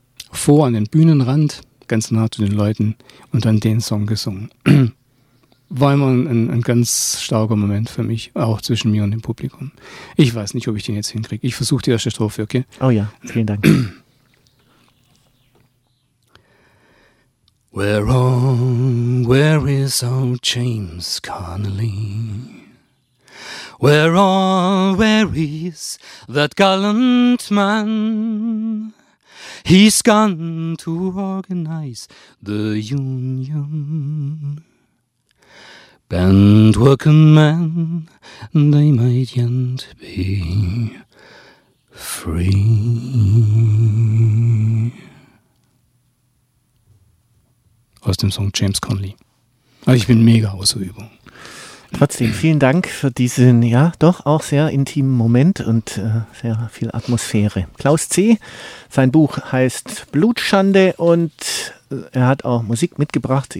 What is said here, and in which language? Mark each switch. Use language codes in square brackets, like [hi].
[de] Vor an den Bühnenrand, ganz nah zu den Leuten, und dann den Song gesungen. War immer ein ganz starker Moment für mich, auch zwischen mir und dem Publikum. Ich weiß nicht, ob ich den jetzt hinkriege. Ich versuche die erste Strophe, okay? Oh ja, vielen Dank. [en] Where is old James Connolly? Where is that gallant man? He's gone to organize the union. Bent working men, they might yet be free. [de] Aus dem Song James Connolly. Also ich bin mega außer Übung. Trotzdem, vielen Dank für diesen, ja, doch auch sehr intimen Moment und sehr viel Atmosphäre. Klaus C., sein Buch heißt Blutschande und er hat auch Musik mitgebracht.